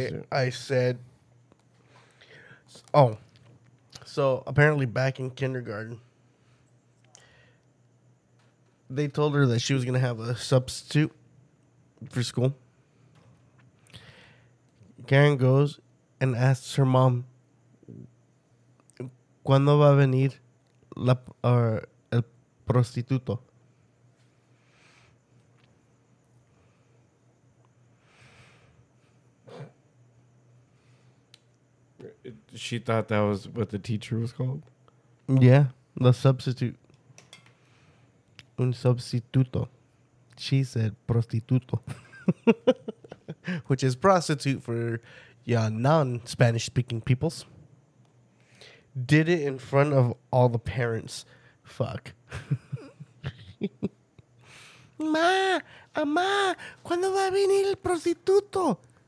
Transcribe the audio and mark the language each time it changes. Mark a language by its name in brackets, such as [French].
[English] I said, oh, so apparently back in kindergarten, they told her that she was gonna have a substitute for school. Karen goes and asks her mom, [Spanish] ¿cuándo va a venir el prostituto? [English] She thought that was what the teacher was called? Yeah, the substitute. [Spanish] Un substituto. [English] She said prostituto. Which is prostitute for non-Spanish speaking peoples. Did it in front of all the parents. Fuck. [Spanish] Ma, mamá, ¿cuándo va a venir el prostituto?